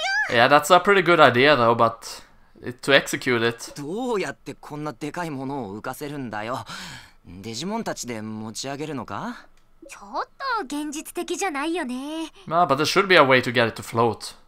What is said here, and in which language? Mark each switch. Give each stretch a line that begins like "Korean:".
English: Yeah, that's a pretty good idea though, but to execute it.
Japanese: どうやってこんなでかいものを浮かせるんだよ。デジモンたちで持ち上げるのか？ちょっと現実的じゃないよね。
English: まあ、but there should be a way to get it to float.